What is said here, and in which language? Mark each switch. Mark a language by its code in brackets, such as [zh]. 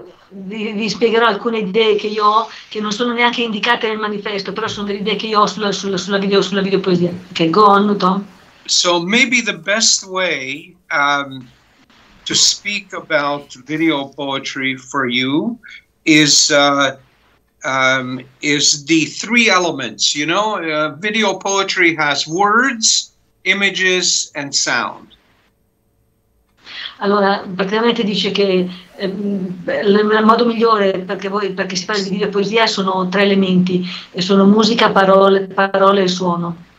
[it] Vi spiegherò alcune idee che io ho che non sono neanche indicate nel manifesto, però sono delle idee che io ho sulla videopoesia. [en] Okay, go on, Tom. So maybe the best way to speak about video poetry for you is the three elements. You know, video poetry has words, images and sound. [it] Allora, praticamente dice che il modo migliore perché si parla di videopoesia sono tre elementi, e sono musica, parole e suono.